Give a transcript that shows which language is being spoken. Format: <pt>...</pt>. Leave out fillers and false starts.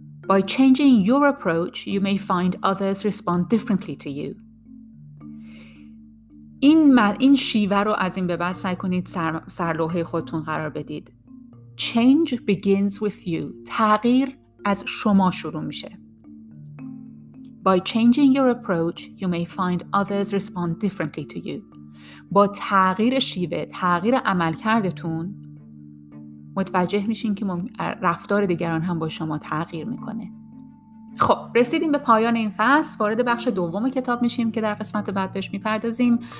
<en>By changing your approach, you may find others respond differently to you.</en> <fa>این شیوه رو از این به بعد سعی کنید سرلوحه خودتون قرار بدید.</fa> <en>Change begins with you.</en> <fa>تغییر از شما شروع میشه.</fa> <en>By changing your approach, you may find others respond differently to you.</en> <fa>با تغییر شیوه، تغییر عملکردتون، متوجه میشین که رفتار دیگران هم با شما تغییر میکنه. خب رسیدیم به پایان این فصل، وارد بخش دوم کتاب میشیم که در قسمت بعد بهش میپردازیم.</fa>